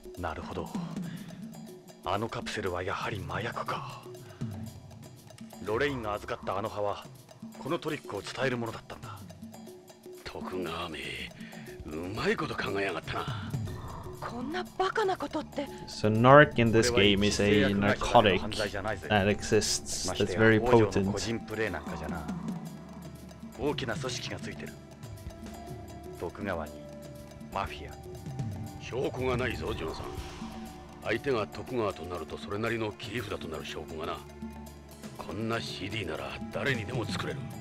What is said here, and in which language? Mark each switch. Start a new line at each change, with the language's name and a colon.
Japanese: なるほど。あのカプセルはやはり麻薬か。ロレインが預かったあの葉はこのトリックを伝えるものだったんだ。徳川め、うまいこと考えやがったな。こんなバカなことって。
English: So narc in this game is a narcotic that exists that's very potent.
Japanese: 個人プレイなんかじゃな。大きな組織がついてる。徳川にマフィア。証拠がないぞ、ジョーさん。相手が徳川となるとそれなりの切り札となる証拠がな。こんな CD なら誰にでも作れる。